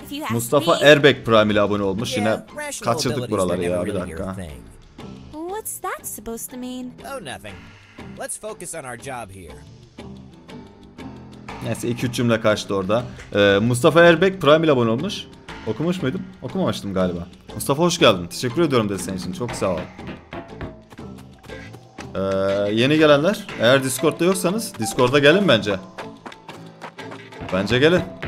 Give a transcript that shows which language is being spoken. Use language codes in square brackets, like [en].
[tr] Mustafa Erbek Prime ile abone olmuş. Yine kaçırdık buraları ya. Bir dakika. [en] What's that supposed to mean? Oh, nothing. Let's focus on our job here. [tr] Neyse, 2-3 cümle kaçtı orada. Mustafa Erbek Prime ile abone olmuş. Okumuş muydum? Okumamıştım galiba. Mustafa hoş geldin. Teşekkür ediyorum de senin için. Çok sağ ol. Yeni gelenler, eğer Discord'da yoksanız Discord'a gelin bence. Bence gelin.